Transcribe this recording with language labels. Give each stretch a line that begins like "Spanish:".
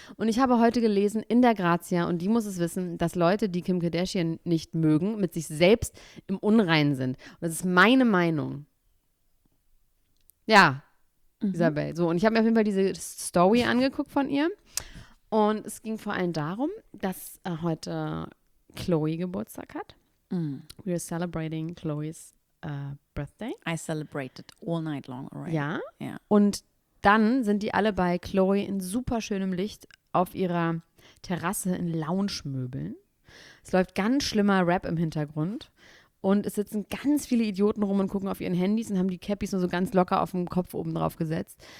German: Und ich habe heute gelesen in der Grazia, und die muss es wissen, dass Leute, die Kim Kardashian nicht mögen, mit sich selbst im Unreinen sind. Und das ist meine Meinung. Ja, mhm. Isabel. So, und ich habe mir auf jeden Fall diese Story angeguckt von ihr. Und es ging vor allem darum, dass heute Chloe Geburtstag hat. Mm.
English: We are celebrating Chloe's birthday. I celebrated all night long already.
German: Ja? Ja. Und dann sind die alle bei Chloe in super schönem Licht auf ihrer Terrasse in Lounge-Möbeln. Es läuft ganz schlimmer Rap im Hintergrund. Und es sitzen ganz viele Idioten rum und gucken auf ihren Handys und haben die Cappies nur so ganz locker auf dem Kopf oben drauf gesetzt.